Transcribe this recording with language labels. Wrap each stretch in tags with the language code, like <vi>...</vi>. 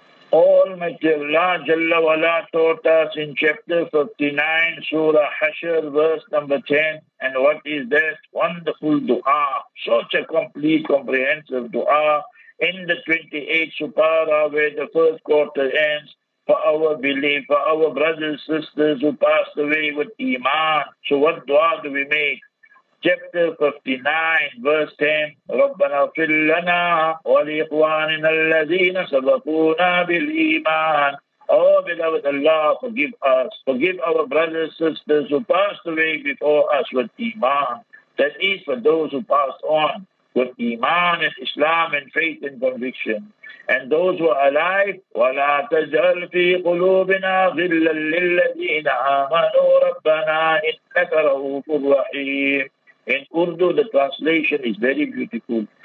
<en>All Allah Jalla Wala taught us in chapter 59, Surah Hashr, verse number 10. And what is that? Wonderful dua. Such a complete, comprehensive dua. In the 28th Supara, where the first quarter ends, for our belief, for our brothers, sisters who passed away with Iman. So what dua do we make? Chapter 59, verse 10.</en> <ar>رَبَّنَا فِرْ لَنَا وَلِيْخْوَانِنَا الَّذِينَ سَبَقُونَا بِالْإِيمَانِ</ar> <en>Oh, beloved Allah, forgive us. Forgive our brothers, sisters who passed away before us with Iman. That is for those who passed on with Iman and Islam and faith and conviction. And those who are alive,</en> <ar>وَلَا تَجْعَلْ فِي قُلُوبِنَا غِلًّا لِلَّذِينَ آمَنُوا رَبَّنَا إِنَّكَ رَؤُوفُ الرَّحِيمُ</ar> <en>In Urdu, the translation is very beautiful.</en>